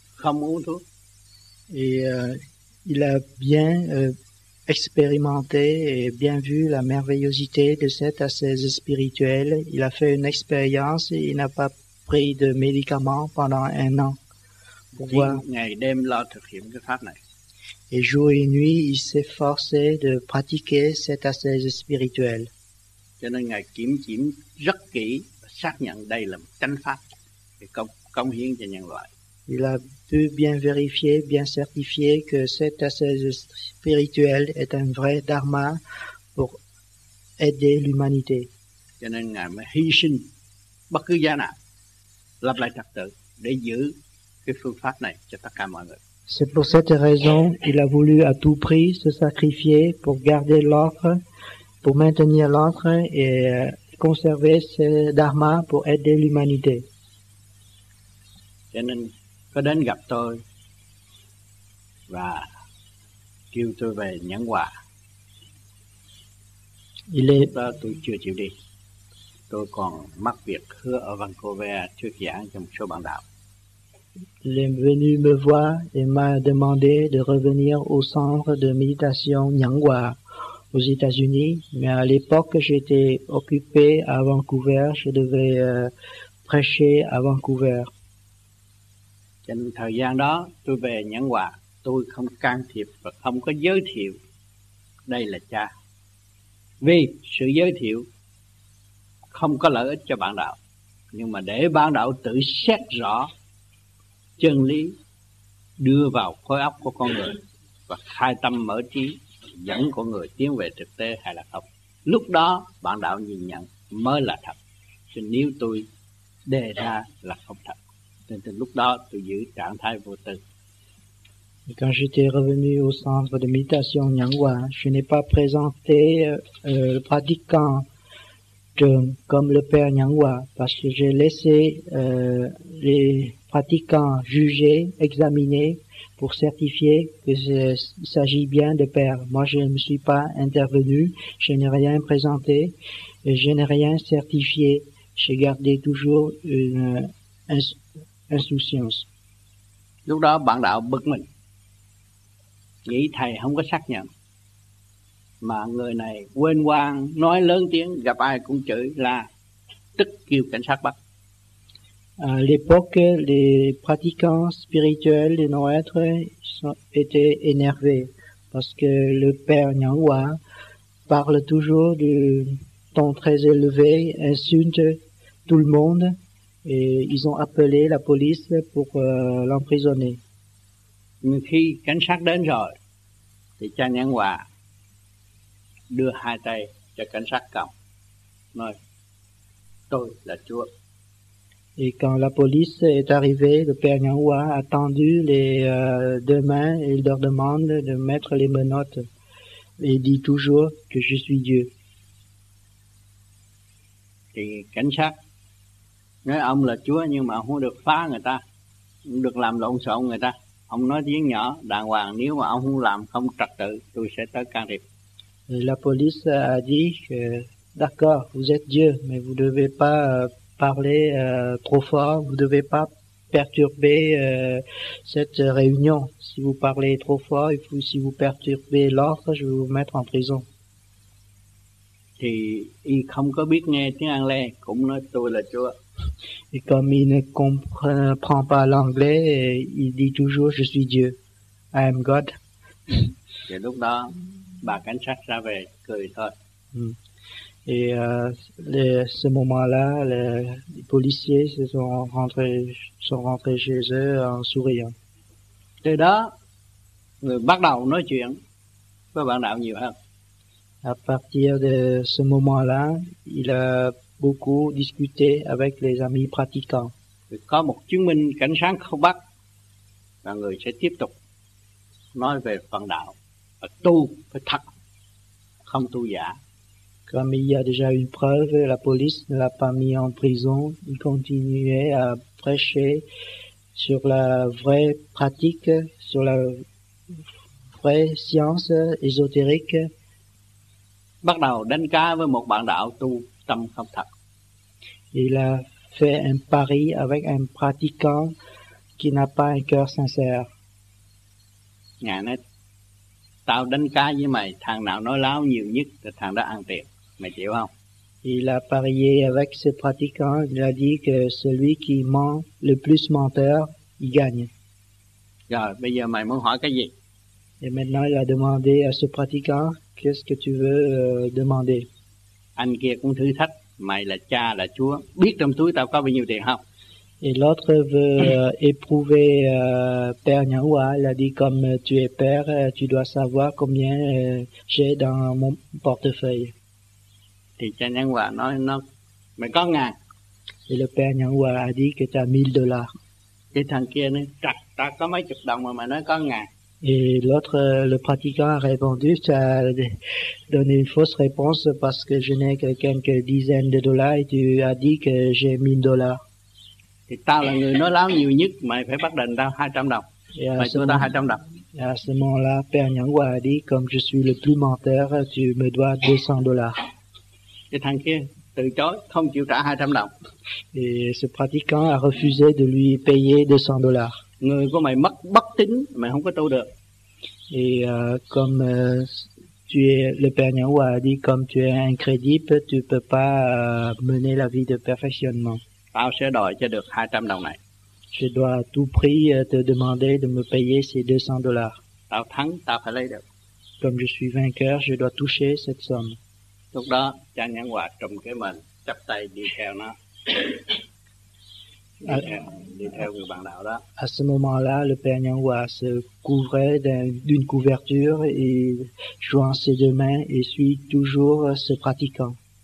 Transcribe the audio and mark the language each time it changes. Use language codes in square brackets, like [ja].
[vi] Không uống thuốc. [fr] Et il a bien expérimenté et bien vu la merveillosité de cette ascèse spirituelle. Il a fait une expérience et il n'a pas pris de médicaments pendant un an. [vi] Ngày đêm lo thực hiện cái pháp này. [fr] Et jour et nuit, il s'efforçait de pratiquer cette ascèse spirituelle. [vi] Cho nên ngài kiểm chỉnh rất kỹ, xác nhận đây là một chánh pháp để cống hiến cho nhân loại. [fr] Il a pu bien vérifier, bien certifier que cette ascèse spirituelle est un vrai dharma pour aider l'humanité. [vi] Cho nên ngài mới hy sinh bất cứ giá nào, lập lại trật tự để giữ cái phương pháp này cho tất cả mọi người. [fr] C'est pour cette raison qu'il a voulu à tout prix se sacrifier pour garder l'ordre, pour maintenir l'ordre et conserver ce dharma pour aider l'humanité. [vi] Cho nên, có đến gặp tôi và kêu tôi về Nhãn Hòa. [fr] Il est... [vi] Tôi chưa chịu đi. Tôi còn mắc việc hứa ở Vancouver thuyết giảng cho một số bạn đạo. [fr] Il est venu me voir et m'a demandé de revenir au centre de méditation Nyangwa aux États-Unis. Mais à l'époque, j'étais occupé à Vancouver. Je devais prêcher à Vancouver. [vi] Trong thời gian đó, tôi về Nyangwa, tôi không can thiệp và không có giới thiệu đây là cha. Vì sự giới thiệu không có lợi ích cho bạn đạo, nhưng mà để bạn đạo tự xét rõ chân lý đưa vào khối óc của con người và khai tâm mở trí dẫn con người tiến về thực tế hay là không. Lúc đó bạn đạo nhìn nhận mới là thật. Chứ nếu tôi đề ra là không thật. Nên từ lúc đó tôi giữ trạng thái vô tư. [fr] Et quand j'étais revenu au centre de méditation Nyangwa, je n'ai pas présenté le pratiquant comme le père Nyangwa parce que j'ai laissé les pratiquants juger, examiner, pour certifier que il s'agit bien de père. Moi, je ne me suis pas intervenu, je n'ai rien présenté, et je n'ai rien certifié. J'ai gardé toujours une insouciance. [vi] Lúc đó, bạn đạo bực mình. Nghĩ thầy không có xác nhận. Mà người này quên quang, nói lớn tiếng, gặp ai cũng chửi là tức kêu cảnh sát bắt. [fr] À l'époque, les pratiquants spirituels de nos êtres étaient énervés parce que le père Nyangwa parle toujours du ton très élevé, insulte tout le monde et ils ont appelé la police pour l'emprisonner. Mais [vi] khi cảnh sát đến rồi, thì cha Nyangwa đưa hai tay cho cảnh sát cầm, nói, tôi là Chúa. [fr] Et quand la police est arrivée, le père Nyangwa a tendu les deux mains et il leur demande de mettre les menottes. Et il dit toujours que je suis Dieu. [vi] Thì cảnh sát nói ông là Chúa nhưng mà không được phá người ta, không được làm lộn xộn người ta. Ông nói tiếng nhỏ, đàng hoàng, nếu mà ông không làm không trật tự, tôi sẽ tới can thiệp. [fr] La police a dit que d'accord, vous êtes Dieu, mais vous ne devez pas parler trop fort, vous ne devez pas perturber cette réunion. Si vous parlez trop fort, et si vous perturbez l'ordre, je vais vous mettre en prison. [vi] Thì [fr] il [vi] không có biết nghe tiếng [fr] anglais, [vi] cũng nói tôi là Chúa. [fr] Et comme il ne comprend pas l'anglais, il dit toujours je suis Dieu. [en] I am God. [fr] Et [vi] lúc đó, bà cảnh sát ra về cười thôi. [fr] Et à ce moment-là, les policiers sont rentrés chez eux en souriant. [vi] Từ đó, bắt đầu nói chuyện với bạn đạo nhiều hơn. [fr] À partir de ce moment-là, il a beaucoup discuté avec les amis pratiquants. [vi] Có một chứng minh cảnh sát không bắt, và người sẽ tiếp tục nói về phần đạo, và tu phải thật, không tu giả. [fr] Comme il y a déjà une preuve, la police ne l'a pas mis en prison, il continuait à prêcher sur la vraie pratique, sur la vraie science ésotérique. [vi] Bắt đầu đánh cá với một bạn đạo tu tâm không thật. [fr] Il a fait un pari avec un pratiquant qui n'a pas un cœur sincère. [vi] Ngài nói, tao đánh cá với mày, thằng nào nói láo nhiều nhất là thằng đó ăn tiền. Mày chịu không? [fr] Il a parié avec ce pratiquant, il a dit que celui qui ment le plus menteur, il gagne. [vi] Rồi, bây giờ mày muốn hỏi cái gì? [fr] Et maintenant, il a demandé à ce pratiquant, qu'est-ce que tu veux demander? [vi] Anh kia cũng thử thách, mày là cha, là chúa, biết trong túi tao có bao nhiêu tiền không? [fr] Et l'autre veut éprouver Père Nyahua, il a dit, comme tu es père, tu dois savoir combien j'ai dans mon portefeuille. [vi] Thì cha Nhân Hòa nói nó mày có ngàn. Thì [fr] le père Nhân Hòa a dit que t'as 1000 dollars. [vi] Thì thằng kia nói trật, ta có mấy chục đồng mà mày nói có ngàn. Et l'autre, le pratiquant a répondu, tu as donné une fausse réponse parce que je n'ai que quelques dizaines de dollars et tu as dit que j'ai 1000 dollars. Thì tao là người nói láo nhiều nhất, mày phải bắt đền tao 200 đồng. Mày cho tao 200 đồng. [fr] Et à ce moment-là, père Nhân Hòa a dit, comme je suis le plus menteur, tu me dois 200 dollars. [vi] Cái thằng kia từ chối, không chịu trả 200 đồng. [fr] Et ce pratiquant a refusé de lui payer 200 dollars. [vi] Người của mày mất bất tín, mày không có tu được. [fr] Et comme tu es le père Nhân Hòa a dit, comme tu es incrédible, tu peux pas mener la vie de perfectionnement. [vi] Tao sẽ đòi cho được 200 đồng này. [fr] Je dois à tout prix te demander de me payer ces 200 dollars. [vi] Tao thắng, tao phải lấy được. [fr] Comme je suis vainqueur, je dois toucher cette somme. [vi] Lúc đó cha Nhân Hòa trùm cái mình chắp tay đi theo nó đi theo người bạn đạo đó. [fr] À ce moment-là, le père Nhân Hòa se couvrait d'une couverture et joint ses deux mains et suit toujours ce pratiquant.